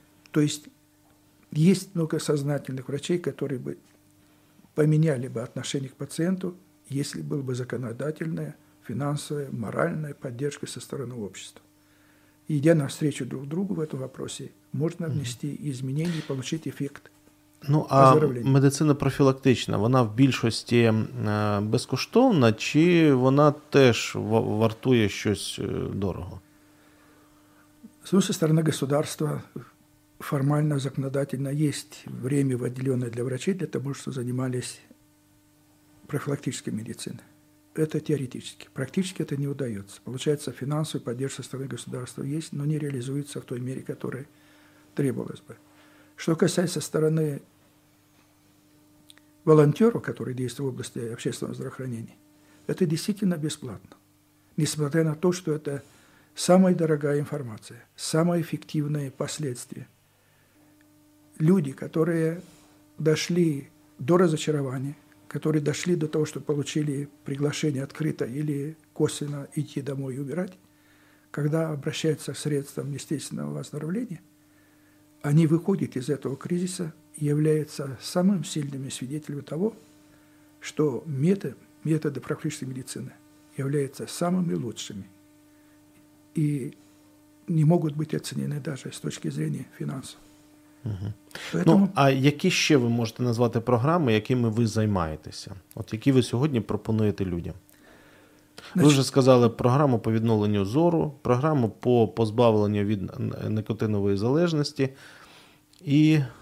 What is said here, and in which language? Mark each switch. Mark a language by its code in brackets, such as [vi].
[ru] То есть есть много сознательных врачей, которые бы поменяли бы отношение к пациенту, если было бы законодательное, финансовое, моральное поддержка со стороны общества. Идя навстречу друг другу в этом вопросе, можно внести изменения и получить эффект. [uk] Ну, а медицина профілактична, вона в більшості безкоштовна, чи вона теж вартує щось дорого? Зі сторони государства формально, законодательно є время, виділене для врачей, для того, щоб займалися профілактичною медициною. Це теоретично. Практично це не вдається. Виходить, фінансова підтримка зі сторони государства є, але не реалізується в той мірі, яка требувалась би. Що стосується сторони [ru] волонтеров, которые действуют в области общественного здравоохранения, это действительно бесплатно. Несмотря на то, что это самая дорогая информация, самые эффективные последствия. Люди, которые дошли до разочарования, которые дошли до того, что получили приглашение открыто или косвенно идти домой и умирать, когда обращаются к средствам естественного выздоровления, они выходят из этого кризиса, являются самым сильным свидетелем того, что методы практической медицины являются самыми лучшими и не могут быть оценены даже с точки зрения финансов. Угу. Поэтому... [uk] А які ще ви можете назвати програми, якими ви займаєтеся? От які ви сьогодні пропонуєте людям? Ви вже сказали програму по відновленню зору, програму по позбавленню від никотинової залежності і...